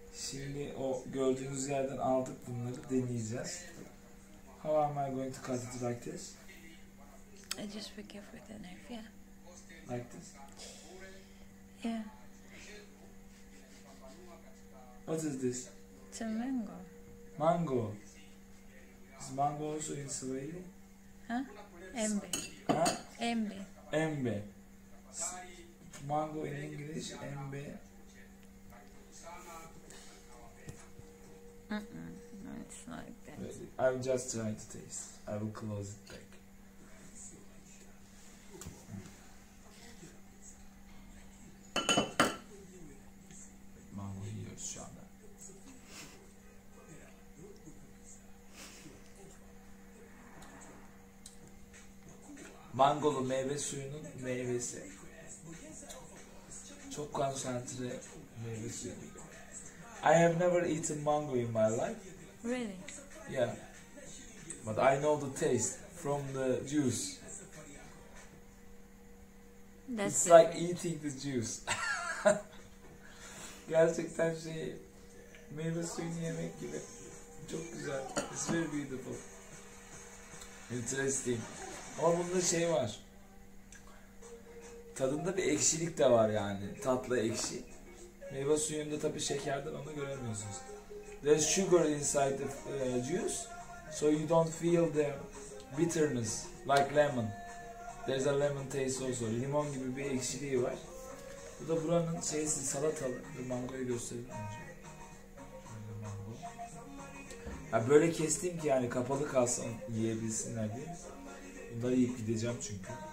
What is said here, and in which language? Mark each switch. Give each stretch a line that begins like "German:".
Turkish: Şimdi o gördüğünüz yerden aldık bunları, deneyeceğiz.
English: How am I going to cut it like this? I just pick it with a knife, yeah. Like this? Yeah. What is this? It's a mango. Mango? Is mango also in Swahili? Huh? Embe. Huh? Embe. Embe. Mango in English, embe. It's not like that. I'm just trying to taste. I will close it back. Mango here, Shana.
Turkish: Mangolu meyve suyunun meyvesi. Çok konsantre meyve suyu.
English: I have never eaten mango in my life. Really? Yeah. But I know the taste from the juice. That's it's like eating the juice.
Turkish: Gerçekten şey, meyve suyunu yemek gibi. Çok güzel.
English: It's very beautiful. Interesting.
Turkish: Ama bunda şey var. Tadında bir ekşilik de var yani. Tatlı ekşi. Meyve suyunda tabii şekerden onu göremiyorsunuz.
English: There's sugar inside the juice, so you don't feel the bitterness like lemon. There's a lemon taste also.
Turkish: Limon gibi bir ekşiliği var. Bu da buranın şeysi, salatalı bir mangoyu göstereyim önce. Ya böyle kestim ki yani kapalı kalsın yiyebilsinler diye. Bunları yiyip gideceğim çünkü.